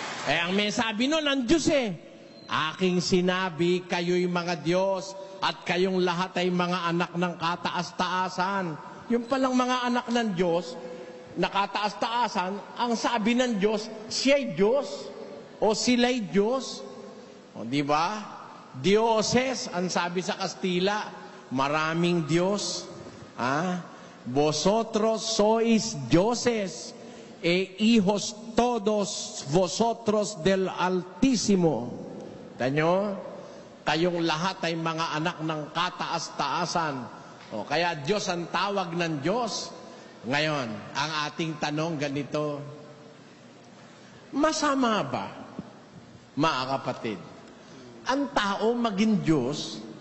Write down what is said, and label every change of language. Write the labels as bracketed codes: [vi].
[tl] Eh, ang may sabi nun, ang Diyos eh. Aking sinabi, kayo'y mga Diyos at kayong lahat ay mga anak ng kataas-taasan. Yung palang mga anak ng Diyos na kataas-taasan, ang sabi ng Diyos, siya'y Diyos o sila'y Diyos. O, di ba? Dioses, ang sabi sa Kastila, maraming Diyos. Ha? [es] Vosotros sois Dioses e hijos todos vosotros del Altísimo. [tl] Tanyo, kayong lahat ay mga anak ng kataas-taasan. O, kaya Diyos ang tawag ng Diyos. Ngayon, ang ating tanong ganito, masama ba, mga kapatid, ang tao maging Diyos?